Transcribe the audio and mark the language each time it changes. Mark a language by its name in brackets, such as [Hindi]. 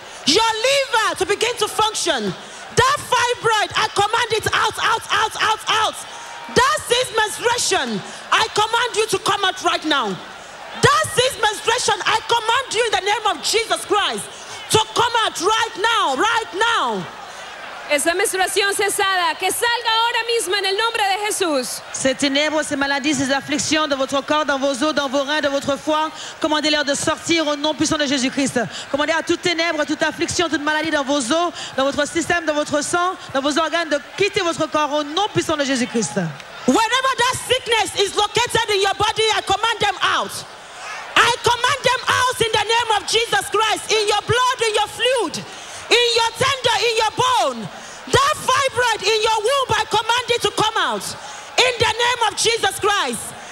[English] Your liver to begin to function. That fibroid, I command it out, out, out, out, out. That cyst menstruation, I command you to come out right now. That cyst menstruation, I command you in the name of Jesus Christ to come out right now, right now. [Spanish] Esa menstruación cesada, que salga ahora mismo en el nombre de Jesús. [French] Ces ténèbres, ces maladies, ces afflictions de votre corps, dans vos os, dans vos reins, de votre foie, commandez-leur de sortir au nom puissant de Jésus-Christ. Commandez à toute ténèbres, toute affliction, toute maladie dans vos os, dans votre système, dans votre sang, dans vos organes, de quitter votre corps au nom puissant de Jésus-Christ. [English] Wherever that sickness is located in your body, I command them out. I command them out in the name of Jesus Christ, in your blood, in your fluid, in your tender, in your bone. That fibroid in your womb, I command it to come out. In the name of Jesus Christ.